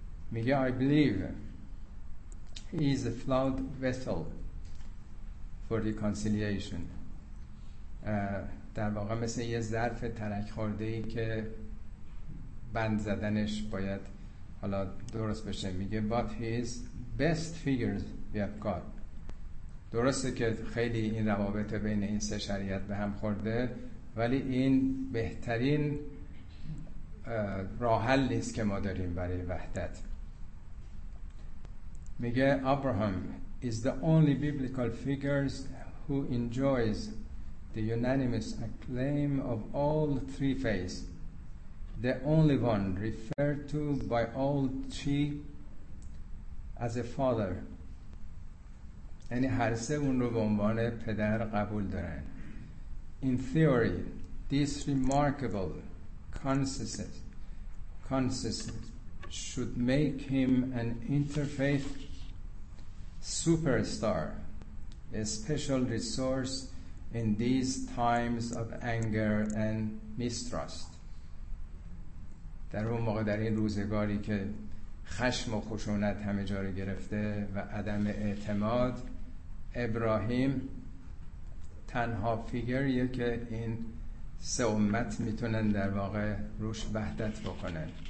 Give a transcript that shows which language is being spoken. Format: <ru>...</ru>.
<fa>میگه</fa> <en>I believe he is a flawed vessel for reconciliation.</en> <fa>در واقع مثل یه ظرف ترک خورده‌ای که بند زدنش باید حالا درست بشه. میگه</fa> <en>but his best figures we have got.</en> <fa>درسته که خیلی این روابط بین این سه شریعت به هم خورده، ولی این بهترین راه حل نیست که ما داریم برای وحدت. میگه</fa> <en>Abraham is the only biblical figures who enjoys the unanimous acclaim of all three faiths, the only one referred to by all three as a father.</en> <fa>یعنی هر سه اون رو به عنوان پدر قبول دارن.</fa> <en>In theory, this remarkable consensus should make him an interfaith superstar, a special resource in these times of anger and mistrust.</en> <fa>در اون موقع در این روزگاری که خشم و خشونت همه جا رو گرفته و عدم اعتماد، ابراهیم تنها فیگریه که این سه امت میتونن در واقع روش وحدت بکنن.</fa>